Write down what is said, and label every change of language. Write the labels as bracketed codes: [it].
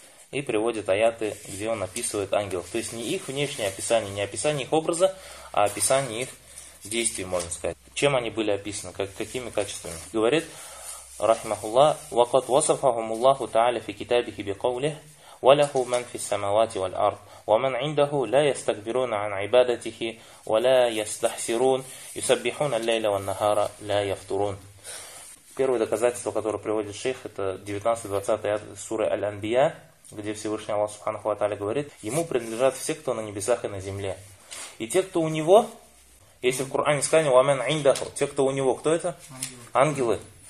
[ru] И приводит аяты, где он описывает ангелов. То есть не их внешнее описание, не описание их образа, а описание их действий, можно сказать. Чем они были описаны, как, какими качествами. Говорит, рахимахуллах, [ar] «Вакат васафахуму Аллаху Та'аля фи китабихи би каулих, валяху ман фи ссамавати валь ард». ومن عنده لا يستكبرون عن عبادته ولا يستحسرون يسبحون الليل والنهار لا يفطرون. [ru] Первое доказательство, которое приводит шейх, это 19-20 аят суры Аль-Анбия, где Всевышний Аллах Субханаху ва Тааля говорит: ему принадлежат все, кто на небесах и на земле. И те, кто у него, если в Коране сказано [ar] ومن عنده, [ru] те, кто у него, кто это? Ангелы.